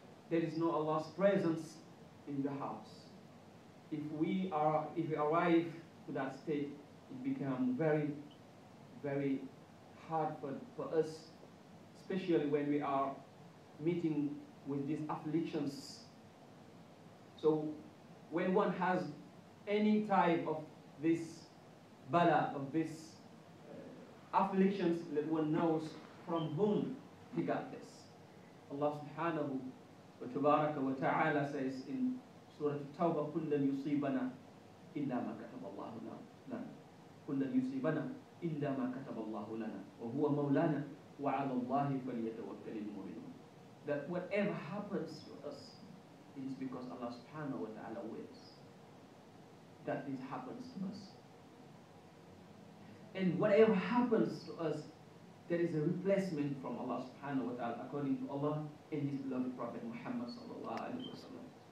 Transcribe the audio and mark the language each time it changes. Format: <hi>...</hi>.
<en>There is no Allah's presence in the house. If we arrive to that state, it becomes very, very hard for us, especially when we are meeting with these afflictions. So when one has any type of this bala, of this afflictions, that one knows from whom he got this. Allah subhanahu wa tabaraka wa ta'ala says in Surah Tawbah,</en> <ar>كُلَّنْ يُصِيبَنَا إِلَّا مَا كَتَبَ اللَّهُ لَنَا كُلَّنْ يُصِيبَنَا إِلَّا مَا كَتَبَ اللَّهُ لَنَا وَهُوَ مَوْلَانَا وَعَلَى اللَّهِ فَلْيَتَوَكَّلِ الْمُؤْمِنُونَ.</ar> <en>That whatever happens to us is because Allah subhanahu wa ta'ala wills that this happens to us. And whatever happens to us, there is a replacement from Allah subhanahu wa ta'ala according to Allah and His beloved Prophet Muhammad sallallahu alayhi wa sallam.</en>